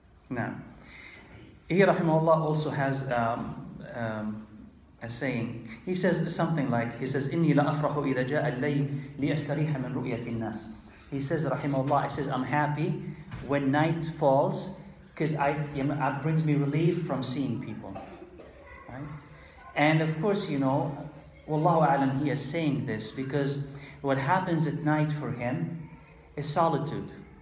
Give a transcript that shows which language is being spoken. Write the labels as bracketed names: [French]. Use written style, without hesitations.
[English] Now, he, rahimahullah, also has a saying. He says something like, he says, [Arabic] إِنِّي لَأَفْرَحُ إِذَا جَاءَ اللَّيْلِ لِيَسْتَرِيحَ مِنْ رُؤْيَةِ النَّاسِ. [English] He says, rahimahullah, he says, I'm happy when night falls because it brings me relief from seeing people. Right? And of course, you know, wallahu alam, he is saying this because what happens at night for him is solitude.